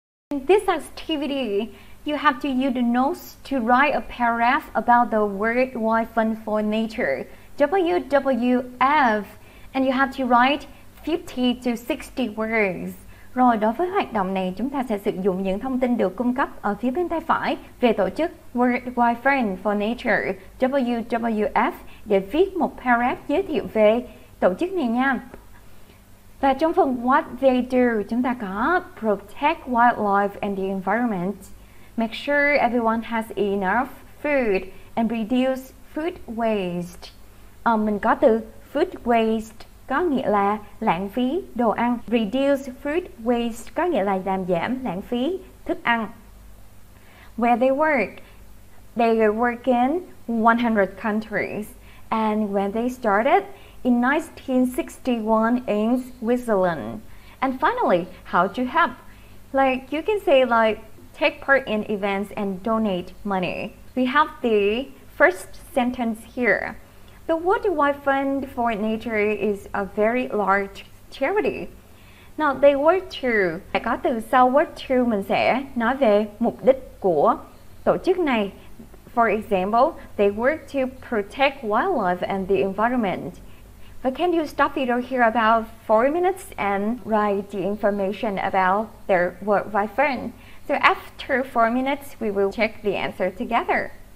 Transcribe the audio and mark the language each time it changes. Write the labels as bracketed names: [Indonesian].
[English] In this activity, you have to use the notes to write a paragraph about the Worldwide Fund for Nature, WWF, and you have to write 50 to 60 words. [Vietnamese] Rồi, đối với hoạt động này, chúng ta sẽ sử dụng những thông tin được cung cấp ở phía bên tay phải về tổ chức Worldwide Fund for Nature, WWF, để viết một paragraph giới thiệu về tổ chức này nha. Và trong phần [English] What They Do, [Vietnamese] chúng ta có [English] Protect Wildlife and the Environment, Make Sure Everyone Has Enough Food and Reduce Food Waste. [Vietnamese] Mình có từ Food Waste. Có nghĩa là lãng phí đồ ăn. [English] Reduce food waste [Vietnamese] có nghĩa là làm giảm lãng phí thức ăn. [English] Where they work? They work in 100 countries. And when they started? In 1961 in Switzerland. And finally, how to help? Like you can say like take part in events and donate money. We have the first sentence here. The Worldwide Fund for Nature is a very large charity. Now, they work to. [Vietnamese] Có từ sau work to, mình sẽ nói về mục đích của tổ chức này. [English] For example, they work to protect wildlife and the environment. But can you stop it here about 4 minutes and write the information about their Worldwide Fund? So after 4 minutes, we will check the answer together.